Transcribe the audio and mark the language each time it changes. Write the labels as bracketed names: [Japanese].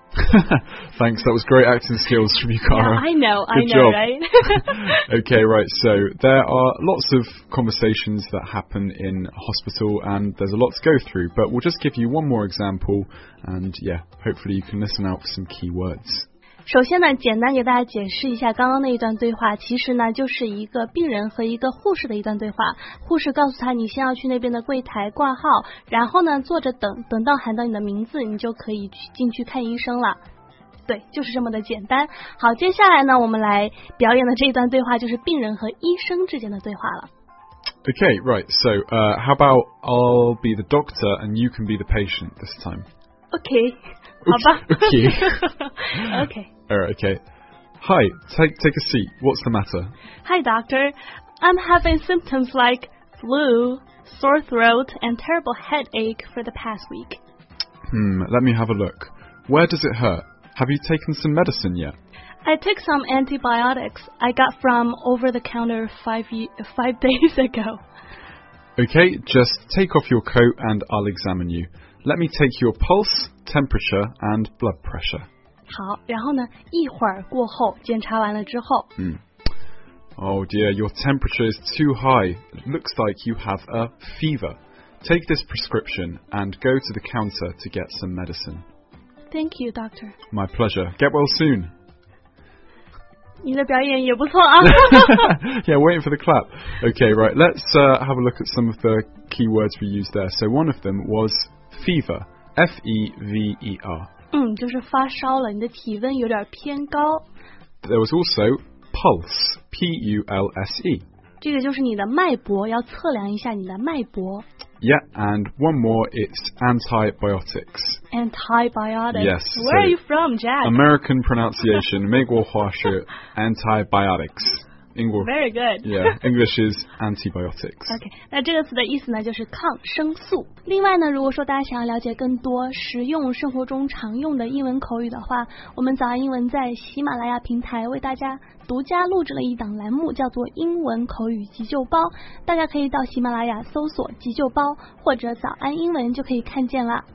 [English] Thanks, that was great acting skills from you, Cara. Yeah, I know, good I know, job. Right? Okay, right, so there are lots of conversations that happen in hospital and there's a lot to go through, but we'll just give you one more example and yeah, hopefully you can listen out for some key words. [Chinese] 首先呢简单给大家解释一下刚刚那一段对话，其实呢就是一个病人和一个护士的一段对话。护士告诉他你先要去那边的柜台挂号，然后呢坐着等，等到喊到你的名字你就可以进去看医生了。对，就是这么的简单。好，接下来呢我们来表演的这一段对话就是病人和医生之间的对话了。 [English] Okay, right. So, how about I'll be the doctor and you can be the patient this time? Okay. Okay. 好吧。 Okay. Okay. All right, okay. Hi, take a seat. What's the matter? Hi, doctor. I'm having symptoms like flu, sore throat, and terrible headache for the past week. Let me have a look. Where does it hurt? Have you taken some medicine yet? I took some antibiotics I got from over-the-counter five days ago. Okay, just take off your coat and I'll examine you. Let me take your pulse, temperature, and blood pressure. [Chinese] 好，然后呢，一会儿过后，检查完了之后。 [English] Oh dear, your temperature is too high. It looks like you have a fever. Take this prescription and go to the counter to get some medicine. Thank you, doctor. My pleasure. Get well soon. [Chinese] 你的表演也不错啊 [English] Yeah, waiting for the clap. Okay, right, let's have a look at some of the key words we used there. So one of them was fever, F-E-V-E-R. [Chinese] 就是发烧了，你的体温有点偏高。 [English] There was also pulse, P-U-L-S-E. [Chinese] 这个就是你的脉搏，要测量一下你的脉搏。 [English] Yeah, and one more, it's antibiotics. Antibiotics. Yes. Where are you from, Jack? American pronunciation, [Chinese] 美国话是 [English] antibiotics. Very good. Yeah, English is antibiotics. [Chinese] Okay, 那这个词的意思呢就是抗生素。另外呢，如果说大家想要了解更多实用生活中常用的英文口语的话，我们早安英文在喜马拉雅平台为大家独家录制了一档栏目，叫做英文口语急救包，大家可以到喜马拉雅搜索急救包或者早安英文就可以看见了。